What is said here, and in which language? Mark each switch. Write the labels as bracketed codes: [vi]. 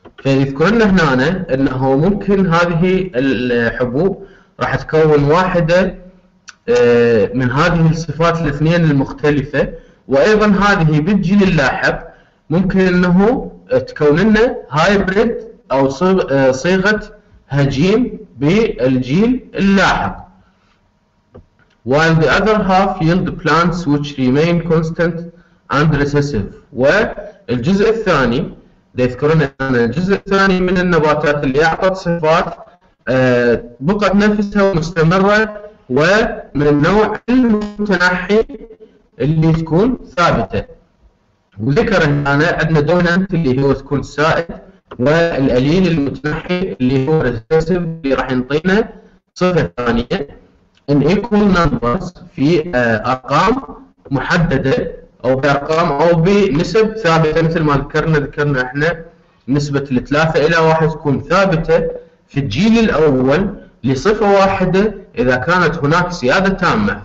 [ar] فيذكرنا هنا انه ممكن هذه الحبوب راح تكون واحده من هذه الصفات الاثنين المختلفة وايضا هذه بالجيل اللاحق ممكن انه تكون لنا هايبريد او صيغة هجين بالجيل اللاحق. [en] While the other half yield plants which remain constant and recessive. [ar] والجزء الثاني يذكرون ان الجزء الثاني من النباتات اللي اعطت صفات بقت نفسها ومستمرة ومن النوع المتنحي اللي تكون ثابته. وذكر ان عندنا دوننت اللي هو تكون سائد والاليل المتنحي اللي هو ريسيسيف اللي راح يعطينا صفه ثانيه ان ايكوال نمبرز في ارقام محدده او بارقام او بنسب ثابته مثل ما ذكرنا احنا نسبه الثلاثه الى واحد تكون ثابته في الجيل الاول لصفة واحدة إذا كانت هناك سيادة تامة.